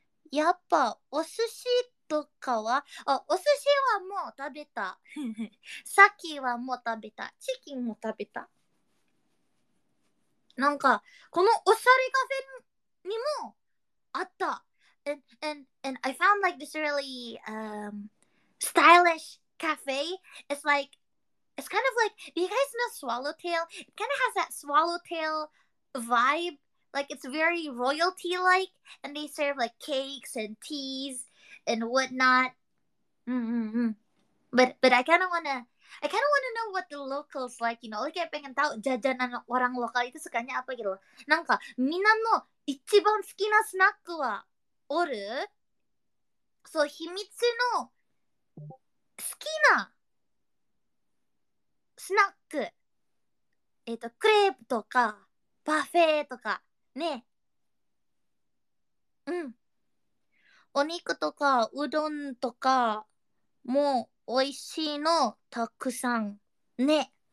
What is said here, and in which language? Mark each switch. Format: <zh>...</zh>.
<ja>やっぱお寿司とかは、お寿司はもう食べた。さっきはもう食べた。チキンも食べた。なんかこのおしゃれカフェにもあった。</ja> <en>and I found like this really stylish cafe. It's kind of like, do you guys know Swallowtail? It kind of has that Swallowtail vibeLike, it's very royalty-like, and they serve, like, cakes and teas and whatnot. But I kind of want to know what the locals like, you know. Like, I</en> <id>pengen tahu jajanan orang lokal itu sukanya apa gitu.</id> <ja>なんか、みんなの一番好きなスナックはおる？ So, 秘密の好きなスナック。クレープとか、パフェとか。ね、お肉とかうどんとかもおいしいのたくさんね。</ja>